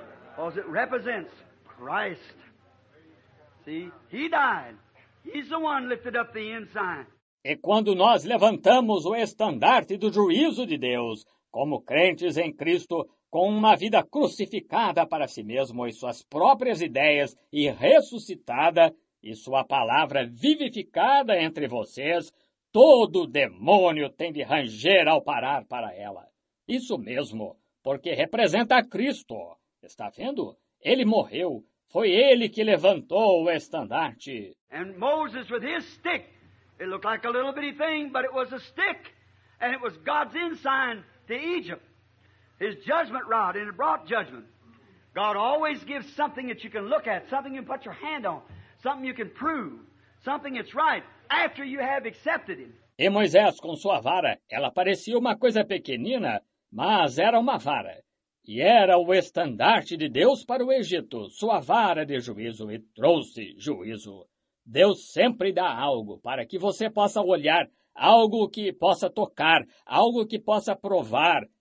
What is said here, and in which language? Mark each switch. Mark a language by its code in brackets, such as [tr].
[en] Because it represents Christ. See, he died. He's the one lifted up the ensign. [pt] E quando nós levantamos o estandarte do juízo de Deus, como crentes em Cristo, com uma vida crucificada para si mesmo e suas próprias ideias e ressuscitada, e sua palavra vivificada entre vocês, todo demônio tem de ranger ao parar para ela. Isso mesmo, porque representa Cristo. Está vendo? Ele morreu. Foi ele que levantou o estandarte. [en] And Moses with his stick. It looked like a little bitty thing, but it was a stick. And it was God's ensign to Egypt. His judgment rod, and it brought judgment. God always gives something that you can look at, something you can put your hand on. Something you can prove, something that's right, after you have accepted him. [pt] E Moisés, com sua vara, ela parecia uma coisa pequenina, mas era uma vara. E era o estandarte de Deus para o Egito, sua vara de juízo, e trouxe juízo. Deus sempre dá algo para que você possa olhar, algo que possa tocar, algo que possa provar.